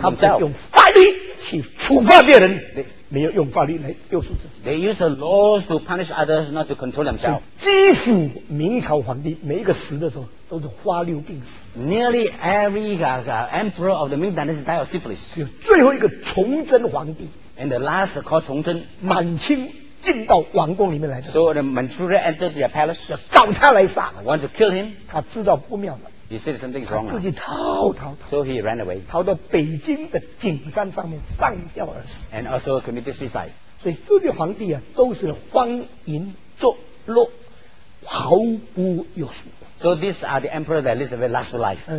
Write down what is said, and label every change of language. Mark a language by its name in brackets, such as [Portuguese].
[Chinese] 他们要用法律去处罚别人 [English] They, [Chinese] 没有用法律来救赎自己 [English] They use the laws to punish others not to control themselves. [Chinese] 几乎明朝皇帝每一个死的时候都是花柳病死。 [English] Nearly every emperor of the Ming Dynasty died of syphilis. [Chinese] 最后一个崇祯皇帝 [English] ，and the last called 崇祯， [Chinese] 满清进到王宫里面来的。 [English] So the Manchurian entered their palace. [Chinese] 要找他来杀。 [English] Want to kill him? [Chinese] 他知道不妙了。 [English] He said something's wrong. [Chinese] 他自己逃。 [English] So he ran away. [Chinese] 逃到北京的景山上面上吊而死。 [English] And also committed suicide. [Chinese] 所以这些皇帝啊，都是荒淫作乐，毫不约束。 [English] So these are the emperor that lives a very lush life.